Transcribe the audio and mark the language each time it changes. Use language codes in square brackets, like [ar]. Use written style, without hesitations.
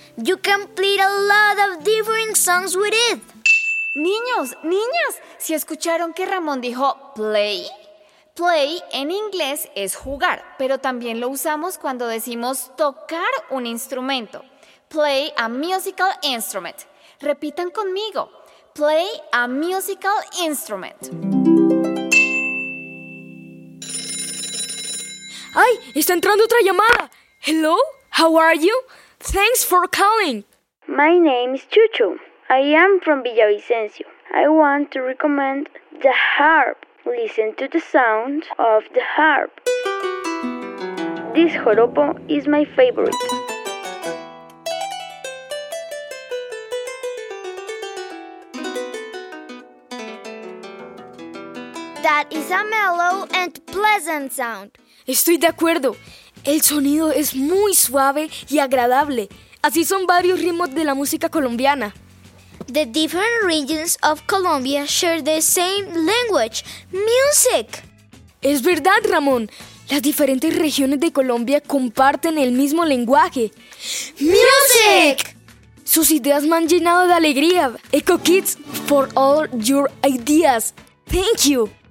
[en] You can play a lot of different songs with it. [es] Niños, niñas, si escucharon que Ramón dijo play. Play en inglés es jugar, pero también lo usamos cuando decimos tocar un instrumento. [en] Play a musical instrument. [es] Repitan conmigo. [en] Play a musical instrument. [es] ¡Ay! ¡Está entrando otra llamada! [en] ¡Hello! ¿How are you? ¡Thanks for calling! My name is Chucho. I am from Villavicencio. I want to recommend the harp. Listen to the sound of the harp. This joropo is my favorite. That is a mellow and pleasant sound. [es] Estoy de acuerdo. El sonido es muy suave y agradable. Así son varios ritmos de la música colombiana. [en] The different regions of Colombia share the same language, music. [es] Es verdad, Ramón. Las diferentes regiones de Colombia comparten el mismo lenguaje. [en] ¡Music! [es] Sus ideas me han llenado de alegría. Echo Kids, [en] for all your ideas. Thank you.